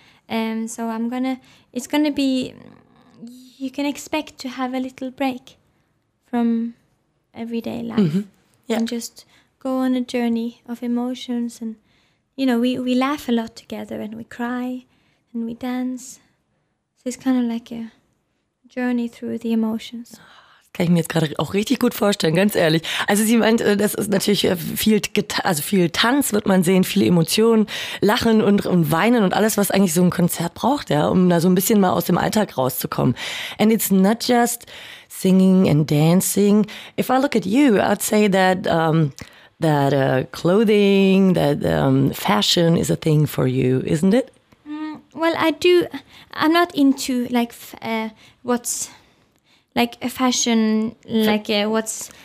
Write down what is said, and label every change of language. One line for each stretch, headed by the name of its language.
English: So I'm gonna. It's gonna be. You can expect to have a little break from everyday life, mm-hmm. Yeah. And just go on a journey of emotions. And you know, we laugh a lot together, and we cry, and we dance. So it's kind of like a journey through the emotions.
German: Kann ich mir jetzt gerade auch richtig gut vorstellen, ganz ehrlich. Also sie meint, das ist natürlich viel Tanz wird man sehen, viele Emotionen, Lachen und Weinen und alles, was eigentlich so ein Konzert braucht, ja, um da so ein bisschen mal aus dem Alltag rauszukommen.
English: And it's not just singing and dancing. If I look at you, I'd say that clothing, fashion is a thing for you, isn't it? Well, I do. I'm not into what's like a fashion, like what's